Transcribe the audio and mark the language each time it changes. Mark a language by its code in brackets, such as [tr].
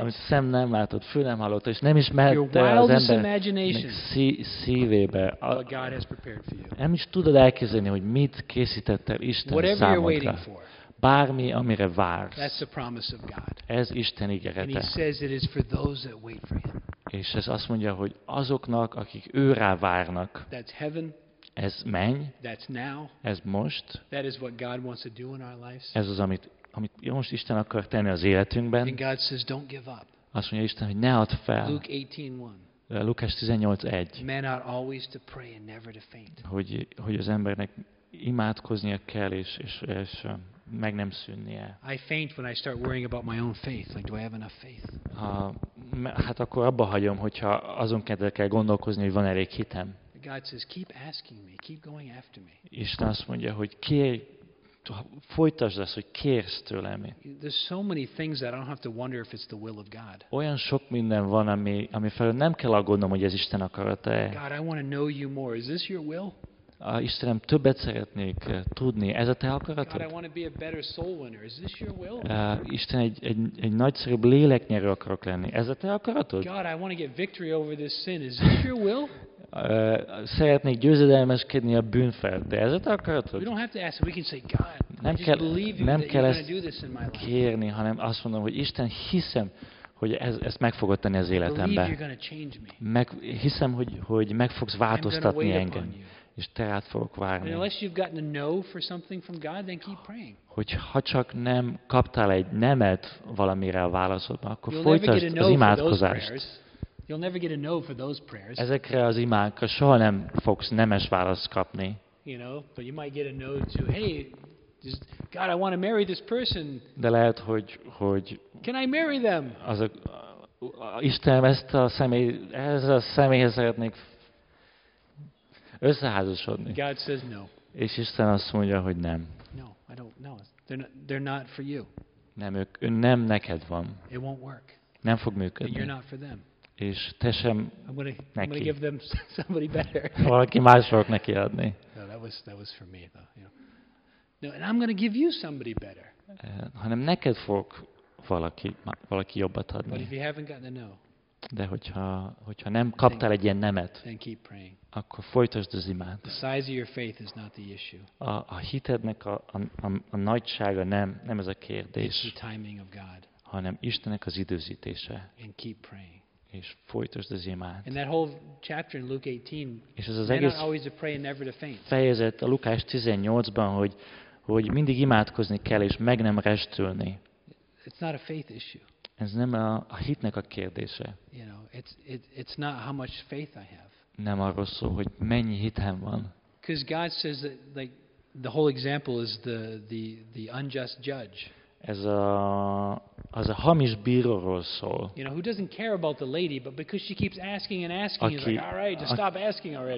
[hu] Amit szem nem látott, fül nem hallotta, és nem is mehette az ember szívébe. [en] What God has prepared for you. [hu] Nem is tudod elképzelni, hogy mit készítette Isten [en] Whatever you're waiting for. [hu] Bármi, amire vársz. [en] That's the promise of God. [hu] Ez Isten ígérete. [en] And He says it is for those that wait for Him. [hu] És ez azt mondja, hogy azoknak, akik ő rá várnak. [en] That's heaven. [hu] Ez menny. [en] That's now. [hu] Ez most. [en] That is what God wants to do in our lives. [hu] Ez az, amit most Isten akar tenni az életünkben. [en] And God says, don't give up. [hu] Azt mondja Isten, hogy ne add fel. Lukács 18:1. [en] Men ought always to pray and never to faint. [hu] Hogy az embernek imádkoznia kell és meg nem szűnnie. [en] I faint when I start worrying about my own faith. Like, do I have enough faith? [hu] Hát akkor abba hagyom, hogyha azon kell gondolkozni, hogy van elég hitem. [en] God says, keep asking me, keep going after me. [hu] Isten azt mondja, hogy kérj, folytasd azt, hogy kérsz tőlem. [en] There's so many things that I don't have to wonder if it's the will of God. [hu] Olyan sok minden van, ami felől nem kell aggódnom, hogy ez Isten akarata-e. [en] God, I want to know you more. Is this your will? [hu] Istenem, többet szeretnék tudni. Ez a te akaratod? [en] God, I want to be a better soul winner. Is this your will? [hu] Isten, egy nagyszerűbb léleknyerő akarok lenni. Ez a te akaratod? [en] God, I want to get victory over this sin. Is this your will? [hu] Szeretnék győzedelmeskedni a bűn felett. De ez a te akaratod? [en] We don't have to ask. We can say, God, [hu] nem [en] I just believe [hu] nem [en] you that you're going to do this in my life. [hu] Nem kell ezt kérni, hanem azt mondom, hogy Isten, hiszem, hogy ezt meg fogod tenni az életembe. Hiszem, hogy meg fogsz változtatni engem. És te rád fogok várni. [en] Unless you've gotten a no for something from God, then keep praying. [hu] Hogyha csak nem kaptál egy nemet valamire a válaszodban, akkor folytasd az imádkozást. [en] You'll never get a no for those prayers. [hu] Ezekre az imákra soha nem fogsz nemes választ kapni. [en] You know, but you might get a no to, hey, just, God, I want to marry this person. [hu] De lehet, hogy [en] can I marry them? [hu] Istenem, ez a személyhez szeretnék összeházasodni. [en] God says no. [hu] És Isten azt mondja, hogy nem. [en] No, I don't know. They're not for you. [hu] Nem, ők nem neked van. [en] It won't work. [hu] Nem fog működni. [en] You're not for them. [hu] És te sem neki. [en] I'm gonna give them somebody better. [hu] Valaki más fogok neki adni. [en] No, that was for me though. You know. No, and I'm gonna give you somebody better. [hu] Hanem neked fogok valaki jobbat adni. [en] But if you haven't gotten a no. [hu] De hogyha nem kaptál egy ilyen nemet, akkor folytasd az imád. [en] The size of your faith is not the issue. [hu] A hitednek a nagysága nem ez a kérdés, [en] it's the timing of God. [hu] Hanem Istennek az időzítése. [en] And keep praying. [hu] És folytasd az imád. [en] And that whole chapter in Luke 18, [hu] és ez az egész [en] always to pray and never to faint. [hu] Fejezet a Lukács 18-ban, hogy mindig imádkozni kell, és meg nem restülni. [en] It's not a faith issue. [hu] Ez nem a hitnek a kérdése. [en] You know, it's not how much faith I have. [hu] Nem arról szól, hogy mennyi hitem van. [en] Because God says that, like, the whole example is the unjust judge. [hu] as a hamis bíróról szól. [en] You know, who doesn't care about the lady, but because she keeps asking and asking, he's like, all right, just stop asking already.